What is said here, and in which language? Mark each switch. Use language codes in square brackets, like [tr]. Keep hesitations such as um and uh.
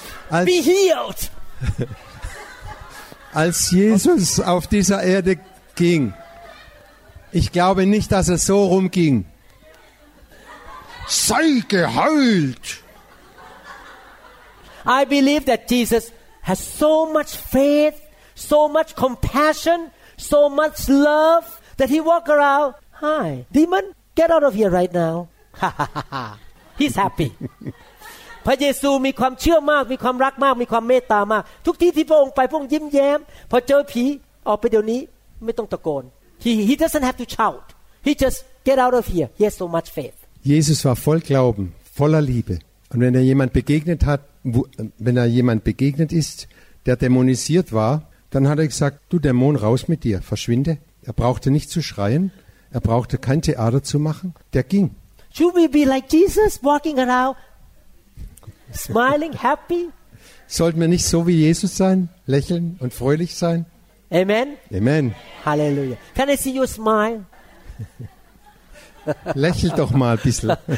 [en] Be healed [de] Als Jesus auf dieser Erde ging ich glaube nicht dass er so rumging Say geheilt. [en] I believe that Jesus has so much faith, so much compassion, so much love that he walk around. Hi, demon, get out of here right now. He's happy. [th] พระเยซูมีความเชื่อมากมีความรักมากมีความเมตตามากทุกที่ที่พระองค์ไปพระองค์ยิ้มแย้มพอเจอผีออกไปเดี๋ยวนี้ไม่ต้องตะโกน [en] he doesn't have to shout he just get out of here he has so much faith [de] Jesus war voll Glauben, voller Liebe. Und wenn er jemand begegnet hat, wo, wenn er jemand begegnet ist, der dämonisiert war, dann hat er gesagt, du Dämon, raus mit dir, verschwinde. Er brauchte nicht zu schreien, er brauchte kein Theater zu machen, der ging. [en] Should we be like Jesus walking around, smiling, happy? [de] Sollten wir nicht so wie Jesus sein, lächeln und fröhlich sein? Amen. Amen. Halleluja. [en] Can I see your smile? [de] Lächel doch mal ein bisschen.